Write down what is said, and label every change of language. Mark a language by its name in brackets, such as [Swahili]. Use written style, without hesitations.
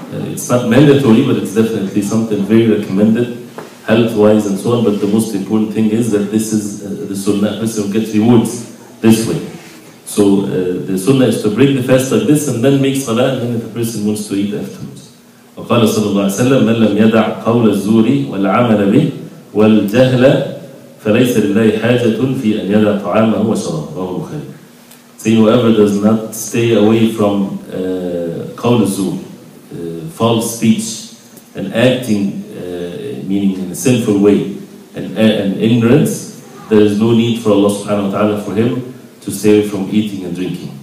[English] It's not mandatory, but it's definitely something very recommended, health-wise and so on. But the most important thing is that this is the sunnah. This will get rewards this way. So the sunnah is to break the fast like this and then make salah, and then if the person wants to eat afterwards. [Arabic] وقال صلى الله عليه وسلم من لم يدع قول الزور والعمل به والجهل فليس لله حاجة في أن يدع طعامه وشرابه وخير. [English] Say whoever does not stay away from [Arabic] قول الزور, [English] false speech and acting, meaning in a sinful way and ignorance, there is no need for Allah subhanahu wa ta'ala for him to save from eating and drinking.